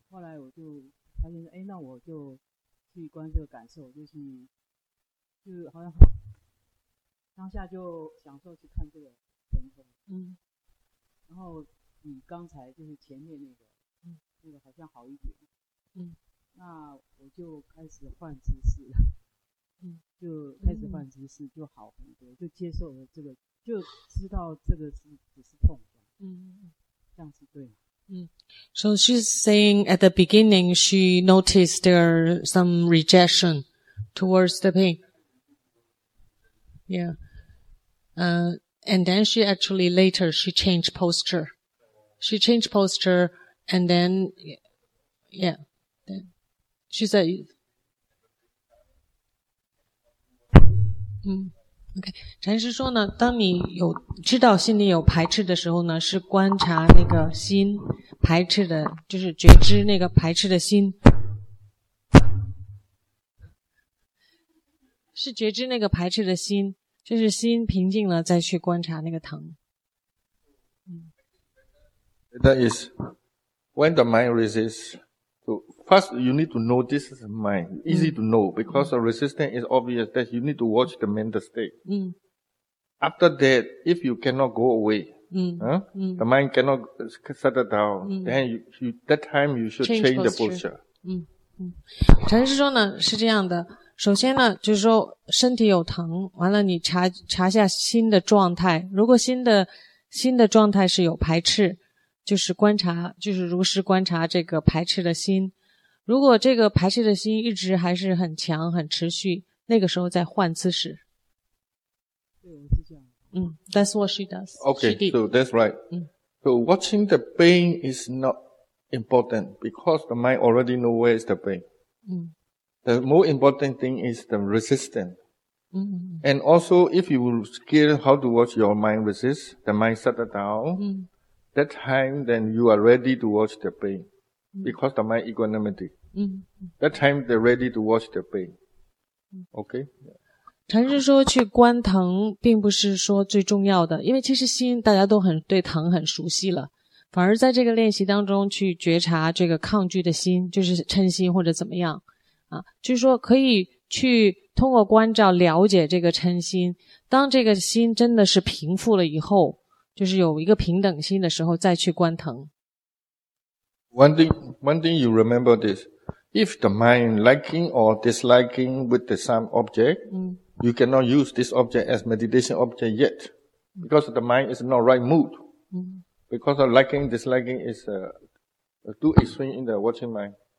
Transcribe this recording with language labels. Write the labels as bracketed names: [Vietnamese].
[Chinese] 后来我就发现，哎，那我就去观这个感受，就是好像当下就享受去看这个疼痛，然后比刚才就是前面那个好像好一点，那我就开始换姿势了，就开始换姿势就好很多，就接受了这个，就知道这个是只是痛的，这样是对的。 [English] So she's saying at the beginning she noticed there some rejection towards the pain. And then she actually later, she changed posture. She changed posture, and then, then she said, [Chinese] OK， 禅师说呢，当你有知道心里有排斥的时候呢，是观察那个心排斥的，就是觉知那个排斥的心，是觉知那个排斥的心，就是心平静了再去观察那个疼。 [English] That is when the mind resists. So first, you need to know this is mind. Easy to know because the resistance is obvious. That you need to watch the mental state. After that, if you cannot go away, the mind cannot settle down. Then you that time you should change the posture. [Chinese] 禅师说呢是这样的。首先呢，就是说身体有疼，完了你查下心的状态。如果心的状态是有排斥。就是观察，就是如实观察这个排斥的心。如果这个排斥的心一直还是很强、很持续，那个时候再换姿势。对，是这样。 [English] That's what she does. Okay, so that's right. So watching the pain is not important because the mind already know where is the pain. The more important thing is the resistance. And also, if you will skill how to watch your mind resist, the mind settle down. That time, then you are ready to watch the pain, because the mind equanimity. That time, they're ready to watch the pain. Okay. [Chinese] 禅师说，去观疼并不是说最重要的，因为其实心大家都很对疼很熟悉了，反而在这个练习当中去觉察这个抗拒的心，就是嗔心或者怎么样啊，就是说可以去通过关照了解这个嗔心，当这个心真的是平复了以后。就是有一个平等心的时候再去观疼。 [English] One thing you remember this. If the mind liking or disliking with the same object, you cannot use this object as meditation object yet. Because the mind is not right mood. Because of liking, disliking is too extreme in the watching mind.